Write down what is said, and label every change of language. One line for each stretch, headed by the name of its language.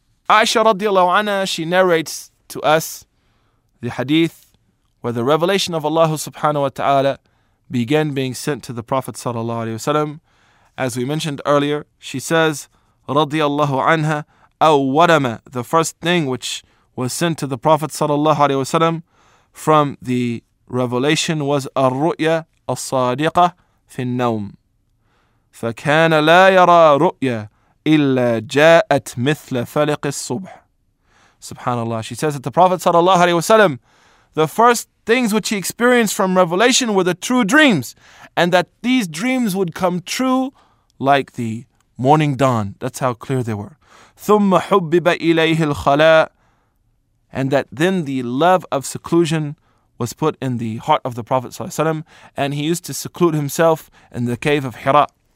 English: Aisha radiallahu anha, she narrates to us the hadith where the revelation of Allah subhanahu wa ta'ala began being sent to the Prophet sallallahu alayhi wa sallam. As we mentioned earlier, she says, radiallahu anha, awwadama, the first thing which was sent to the Prophet sallallahu alayhi wa sallam from the revelation was
Arabic: al-ru'ya al-sadiqa fi al-nawm. فكان لا يرى رؤيا إلا جاءت مثل فلق الصبح.
English: Subhanallah, she says that the Prophet sallallahu alaihi wasallam, the first things which he experienced from revelation were the true dreams, and that these dreams would come true like the morning dawn. That's how clear they were.
Arabic: ثم حبب إليه الخلاء,
English: and that then the love of seclusion was put in the heart of the Prophet sallallahu alaihi wasallam, and he used to seclude himself in the cave of Hira.